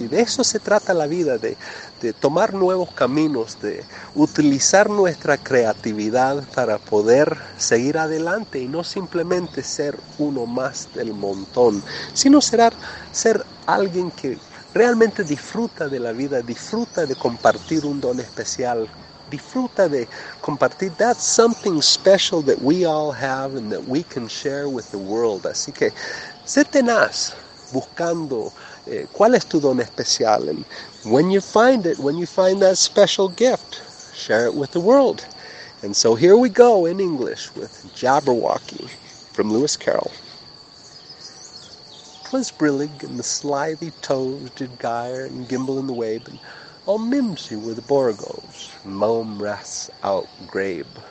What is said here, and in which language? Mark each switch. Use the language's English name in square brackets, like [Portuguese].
[Spanish] Y de eso se trata la vida, de tomar nuevos caminos, de utilizar nuestra creatividad para poder seguir adelante y no simplemente ser uno más del montón, sino ser alguien que realmente disfruta de la vida, disfruta de compartir un don especial. Disfruta de compartir. [English] That's something special that we all have and that we can share with the world. [Spanish] Así que, sé tenaz buscando cuál es tu don especial. [English] And when you find it, when you find that special gift, share it with the world. And so here we go in English with Jabberwocky from Lewis Carroll. 'Twas brillig, and the slithy toves did gyre and gimble in the wabe, and all mimsy were the borogoves, and mome raths outgrabe.